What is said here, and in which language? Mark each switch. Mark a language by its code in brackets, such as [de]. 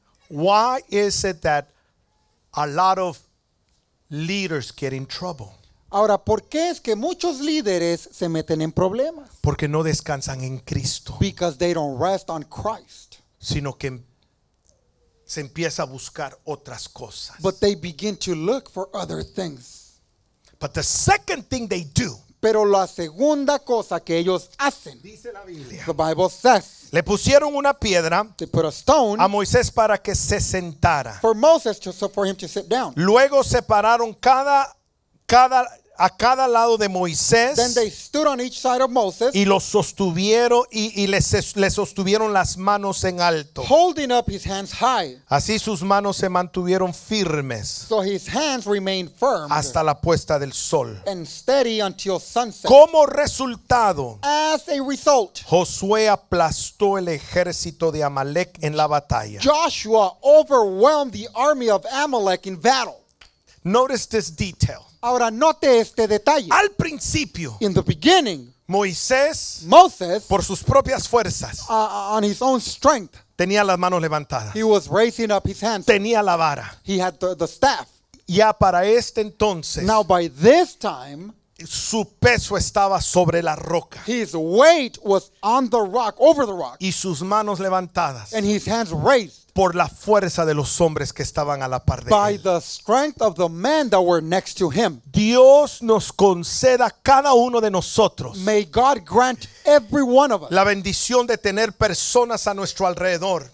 [en] Why is it that a lot of leaders get in trouble? [es] Ahora, ¿por qué es que muchos líderes se meten en problemas? Porque no descansan en Cristo. [en] Because they don't rest on Christ. [es] Sino que se empieza a buscar otras cosas. [en] But they begin to look for other things. But the second thing they do. [es] Pero la segunda cosa que ellos hacen. Dice la Biblia. [en] The Bible says. [es] Le pusieron una piedra. [en] They put a stone. [es] A Moisés para que se sentara. [en] For Moses to, so for him to sit down. [es] Luego separaron cada lado de Moisés. [en] Then they stood on each side of Moses. [es] Y lo sostuvieron y le sostuvieron las manos en alto. [en] Holding up his hands high. [es] Así sus manos se mantuvieron firmes. [en] So his hands remained firm. [es] Hasta la puesta del sol. [en] And steady until sunset. [es] Como resultado. [en] As a result. [es] Josué aplastó el ejército de Amalek en la batalla. [en] Joshua overwhelmed the army of Amalek in battle. Notice this detail. [es] Ahora note este detalle. Al principio, [en] in the beginning, [es] Moisés, por sus propias fuerzas, [en] on his own strength, [es] tenía las manos levantadas. [en] He was raising up his hands. [es] Tenía la vara. [en] He had the staff. [es] Ya para este entonces, [en] now by this time, [es] su peso estaba sobre la roca. [en] His weight was on the rock, over the rock. [es] Y sus manos levantadas. [en] And his hands raised. [es] Por la fuerza de los hombres que estaban a la par de él. [en] By the strength of the men that were next to him. [es] Dios nos conceda a cada uno de nosotros. [en] May God grant every one of us. [es] La bendición de tener personas a nuestro alrededor.